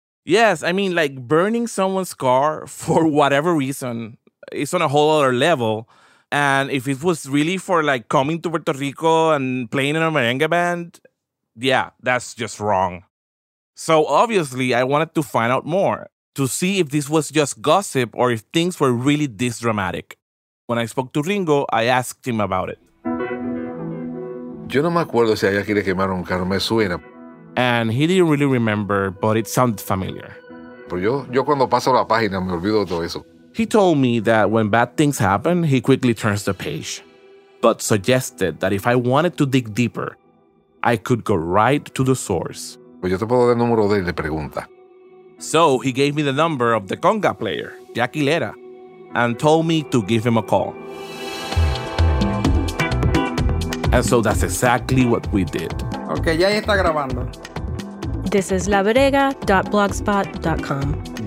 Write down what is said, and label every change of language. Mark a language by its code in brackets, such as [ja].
[en] Yes, I mean, like, burning someone's car for whatever reason is on a whole other level, and if it was really for, like, coming to Puerto Rico and playing in a merengue band, yeah, that's just wrong. So, obviously, I wanted to find out more, to see if this was just gossip or if things were really this dramatic. When I spoke to Ringo, I asked him about it. [es] Yo no me acuerdo si allá aquí le quemaron un carro, me suena. [en] And he didn't really remember, but it sounded familiar. [es] Pero yo cuando paso la página me olvido todo eso. [en] He told me that when bad things happen, he quickly turns the page, but suggested that if I wanted to dig deeper, I could go right to the source. [es] Pues yo te puedo dar el número de él, le pregunta. [en] So he gave me the number of the conga player, Jackie Lera, and told me to give him a call. And so that's exactly what we did. [es] Okay, ya está grabando. [en] This is laborega.blogspot.com.